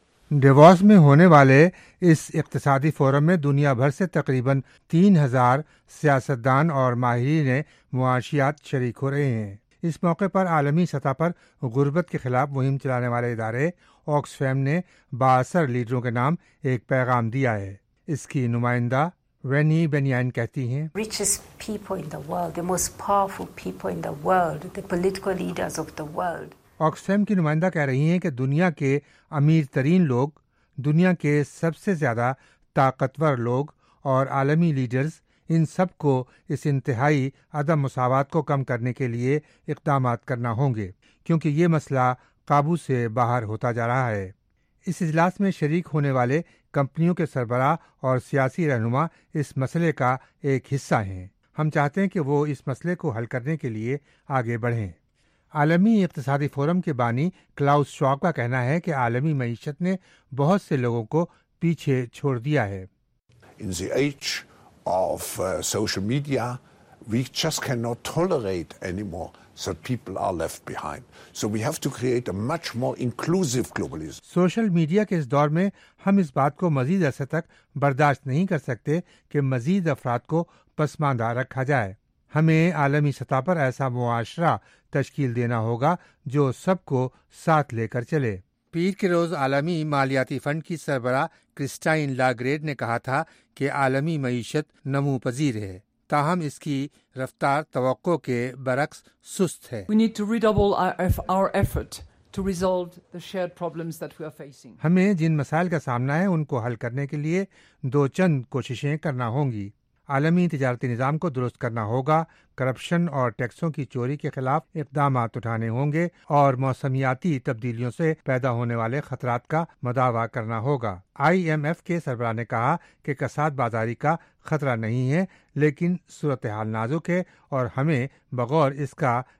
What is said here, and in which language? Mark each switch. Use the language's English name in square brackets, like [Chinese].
[Urdu] Davos میں ہونے والے اس اقتصادی فورم میں دنیا بھر سے تقریباً 3,000 سیاستدان اور ماہرین معاشیات شریک ہو رہے ہیں۔ اس موقع پر عالمی سطح پر غربت کے خلاف مہم چلانے والے ادارے آکسفیم نے بااثر لیڈروں کے نام ایک پیغام دیا ہے۔ اس کی نمائندہ وینی بینیائن کہتی ہیں، [English] Richest people in the world, the most powerful people in the world, the political leaders of the world. [Urdu] Oxfam کی نمائندہ کہہ رہی ہیں کہ دنیا کے امیر ترین لوگ، دنیا کے سب سے زیادہ طاقتور لوگ اور عالمی لیڈرز، ان سب کو اس انتہائی عدم مساوات کو کم کرنے کے لیے اقدامات کرنا ہوں گے، کیونکہ یہ مسئلہ قابو سے باہر ہوتا جا رہا ہے۔ اس اجلاس میں شریک ہونے والے کمپنیوں کے سربراہ اور سیاسی رہنما اس مسئلے کا ایک حصہ ہیں۔ ہم چاہتے ہیں کہ وہ اس مسئلے کو حل کرنے کے لیے آگے بڑھیں۔ عالمی اقتصادی فورم کے بانی کلاؤس شواب کا کہنا ہے کہ عالمی معیشت نے بہت سے لوگوں کو پیچھے چھوڑ دیا ہے۔ [English] In the age of social media, we just cannot tolerate anymore that people are left behind. So we have to create a much more inclusive globalism. [Urdu] Social media کے اس دور میں ہم اس بات کو مزید عرصے تک برداشت نہیں کر سکتے کہ مزید افراد کو پسماندہ رکھا جائے۔ ہمیں عالمی سطح پر ایسا معاشرہ تشکیل دینا ہوگا جو سب کو ساتھ لے کر چلے۔ پیر کے روز عالمی مالیاتی فنڈ کی سربراہ کرسٹائن لاگریڈ نے کہا تھا کہ عالمی معیشت نمو پذیر ہے، تاہم اس کی رفتار توقع کے برعکس سست ہے۔ [English] We need to redouble our effort to resolve the shared problems that we are facing. [Urdu] ہمیں جن مسائل کا سامنا ہے ان کو حل کرنے کے لیے دو چند کوششیں کرنا ہوں گی۔ عالمی تجارتی نظام کو درست کرنا ہوگا، کرپشن اور ٹیکسوں کی چوری کے خلاف اقدامات اٹھانے ہوں گے، اور موسمیاتی تبدیلیوں سے پیدا ہونے والے خطرات کا مداوا کرنا ہوگا۔ IMF کے سربراہ نے کہا کہ کساد بازاری کا خطرہ نہیں ہے، لیکن صورتحال نازک ہے اور ہمیں بغور اس کا